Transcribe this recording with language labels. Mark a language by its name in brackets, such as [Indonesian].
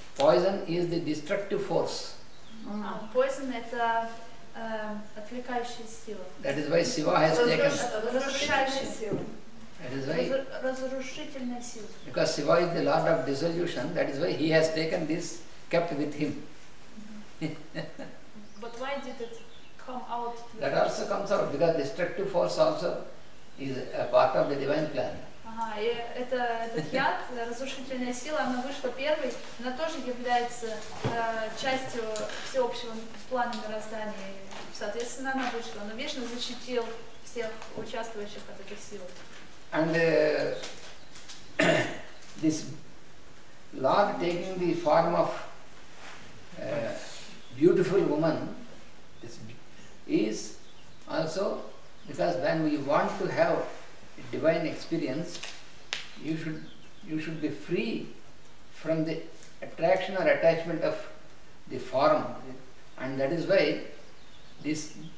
[English] Poison is the destructive force. [Russian] Poison это отвлекающая сила. [English] That is why Shiva has taken. [Russian] Разрушающая сила. [English] That is why. [Russian] Разрушительная сила. [English] Because Shiva is the lord of dissolution, that is why he has taken this, kept with him. But why did it come out? That also comes out because destructive force also is a part of the divine plan. [Russian] Ага, этот яд, разрушительная сила, она вышла первой, она тоже является частью всеобщего плана мироздания. Соответственно, она вышла, но Вишна защитил всех участвующих от этой силы. [English] And this Lord taking the form of beautiful woman is also because when we want to have divine experience, you should be free from the attraction or attachment of the form, and that is why if